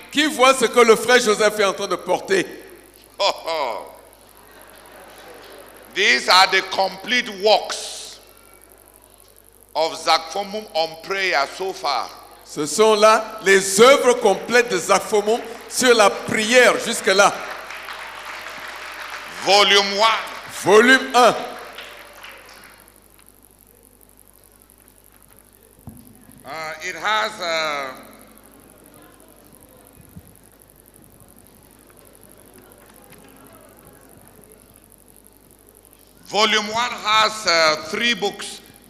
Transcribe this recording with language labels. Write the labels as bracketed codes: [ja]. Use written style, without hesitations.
[fr] Qui voit ce que le frère Joseph est en train de porter? Oh, oh. [en] These are the complete works of Zakfomum on prayer so far. [fr] Ce sont là les œuvres complètes de Zakfomum sur la prière jusque là. [en] Volume 1. [fr] Volume 1. [en] It has Volume 1 has 3 books.